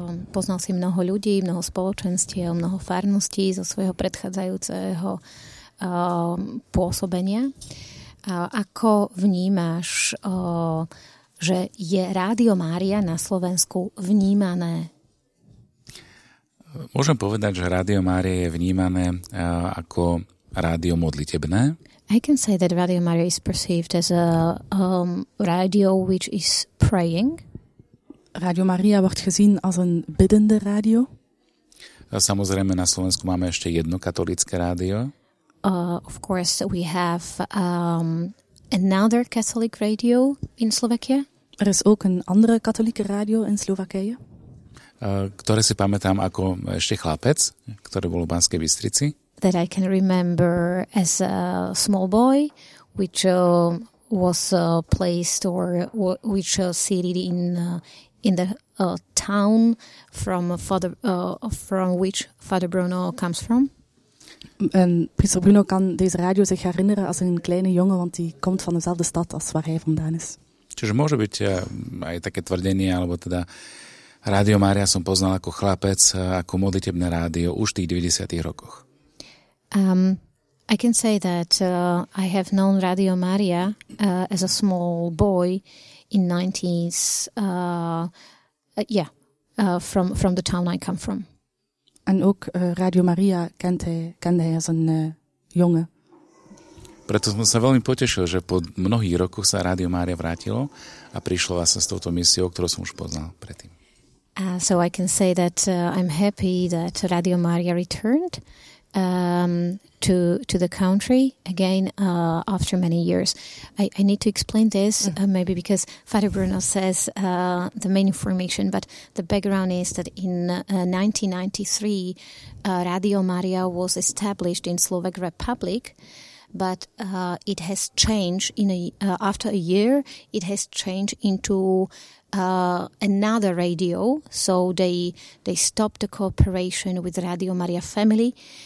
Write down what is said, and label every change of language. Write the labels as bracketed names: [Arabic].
[Slovak] Poznal si mnoho ľudí, mnoho spoločenstiev, mnoho farností zo svojho predchádzajúceho pôsobenia. Ako vnímaš, že je Rádio Mária na Slovensku vnímané? Môžem povedať, že Rádio Mária je vnímané ako rádio modlitebné. [English] I can say that Radio Maria is perceived as a radio which is praying. [Dutch] Radio Maria wordt gezien als een biddende radio. [Slovak] Samozrejme na Slovensku máme ešte jedno katolické rádio. [English] Of course we have another Catholic radio in Slovakia. [Dutch] Er is ook een andere katholieke radio in Slovakije. [Slovak] Ktoré si pamätám ako ešte chlapec, ktoré bol v Banskej Bystrici. [English] That I can remember as a small boy, which was placed or which seated in the town from Father from which Father Bruno comes from. [Dutch] En priester Bruno kan deze radio zich herinneren als een kleine jongen, want die komt van dezelfde stad als waar hij vandaan is. [Slovak] Čiže môže byť aj také tvrdenie, alebo teda Radio Mária som poznal ako chlapec, ako modlitebné rádio už v tých 90. rokoch. [English] I can say that I have known Radio Maria as a small boy in 90s from the town I come from. [Dutch] En ook Radio Maria kende hij als een jongen. [Slovak] Preto som sa veľmi potešil, že po mnohých rokoch sa Radio Mária vrátilo a prišlo vlastne s touto misiou, ktorú som už poznal predtým. [English] So I can say that I'm happy that Radio Maria returned to the country again after many years. I need to explain this maybe because Father Bruno says the main information, but the background is that in 1993 Radio Maria was established in Slovak Republic, but it has changed after a year it has changed into another radio, so they stopped the cooperation with Radio Maria family.